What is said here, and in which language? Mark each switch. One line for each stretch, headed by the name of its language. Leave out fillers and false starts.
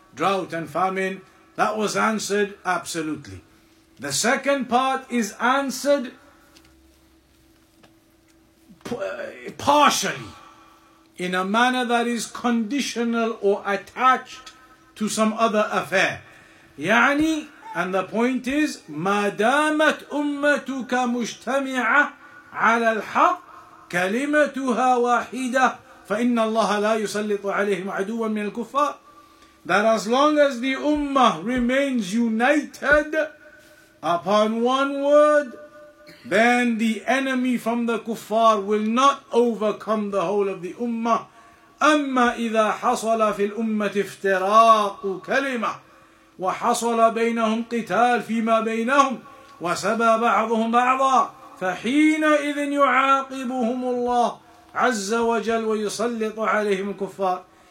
English: drought and famine, that was answered absolutely. The second part is answered partially, in a manner that is conditional or attached to some other affair.
Arabic: يعني,
English: and the point is,
Arabic: ما دامت أمتك مجتمعة على الحق كلمتها واحدة فإن الله لا يسلط عليهم عدوا من الكفار.
English: That as long as the ummah remains united upon one word, then the enemy from the kuffar will not overcome the whole of the ummah.
Arabic: أَمَّا إِذَا حَصَلَ فِي الْأُمَّةِ افْتِرَاقُ كَلِمَةٍ وَحَصَلَ بَيْنَهُمْ قِتَالٌ فِي مَا بَيْنَهُمْ وَسَبَى بَعْضُهُمْ بَعْضًا فَحِينَئِذٍ يُعَاقِبُهُمُ اللَّهُ عَزَّ وَجَلَّ وَيُسَلِّطُ عَلَيْهِمُ الْكُفَّارُ.